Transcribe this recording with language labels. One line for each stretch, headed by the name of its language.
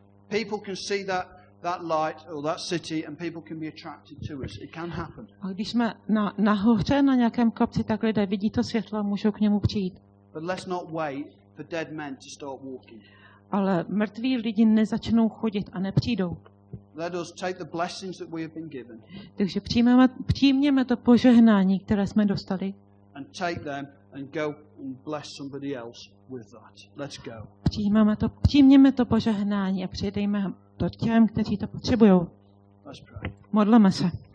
English: People can see that light or that city and people can be attracted to us. It can happen.
Czech: A když jsme nahoře na nějakém kopci, tak lidé vidí to světlo a můžou k němu přijít.
English: But let's not wait for dead men to start walking.
Czech: Ale mrtví lidi nezačnou chodit a nepřijdou.
English: Let us take the blessings that we have been given.
Czech: Takže přijměme to požehnání, které jsme dostali.
English: And take them and go and bless somebody else with that. Let's go.
Czech: Přijměme to požehnání a předejme to těm, kteří to potřebují. Modleme se.